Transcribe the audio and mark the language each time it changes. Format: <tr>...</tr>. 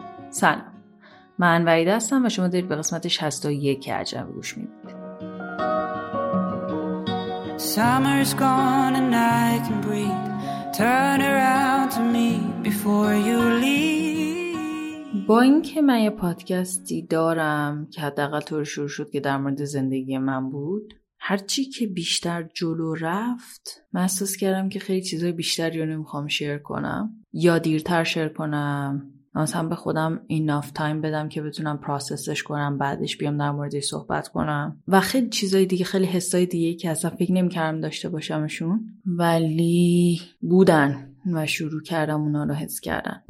<fa>سلام، من وحیده هستم و شما دارید به قسمت 61 عجمی گوش میدید.</fa> <en>Summer's gone and I can breathe. Turn around to me before you leave.</en> <fa>با اینکه من یه پادکستی دارم که حداقل طور شروع شد که در مورد زندگی من بود، هرچی که بیشتر جلو رفت من احساس کردم که خیلی چیزای بیشتری رو نمیخوام شیر کنم یا دیرتر شیر کنم، مثلا به خودم</fa> <en>enough time</en> <fa>بدم که بتونم پروسسش کنم، بعدش بیام در موردش صحبت کنم و خیلی چیزای دیگه، خیلی حسای دیگه که اصلا فکر نمی‌کردم داشته باشمشون ولی بودن و شروع کردم اونا رو حس کردن.</fa>